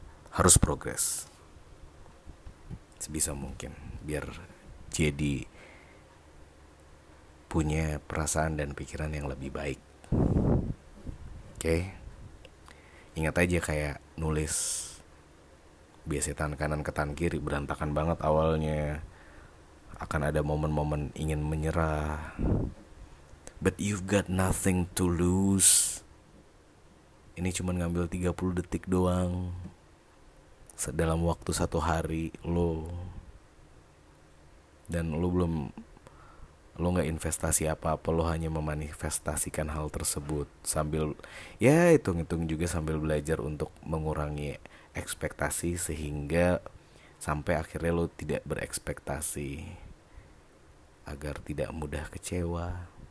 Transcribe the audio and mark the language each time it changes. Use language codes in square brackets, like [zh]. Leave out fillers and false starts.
[id] Harus progres sebisa mungkin biar jadi punya perasaan dan pikiran yang lebih baik. Oke. Ingat aja kayak nulis, biasanya tangan kanan ke tangan kiri, berantakan banget awalnya, akan ada momen-momen ingin menyerah. [en] But you've got nothing to lose. [id] Ini cuma ngambil 30 detik doang. Dalam waktu satu hari lo, dan lo belum, lo gak investasi apa-apa, lo hanya memanifestasikan hal tersebut sambil, ya hitung-hitung juga sambil belajar untuk mengurangi ekspektasi, sehingga sampai akhirnya lo tidak berekspektasi agar tidak mudah kecewa.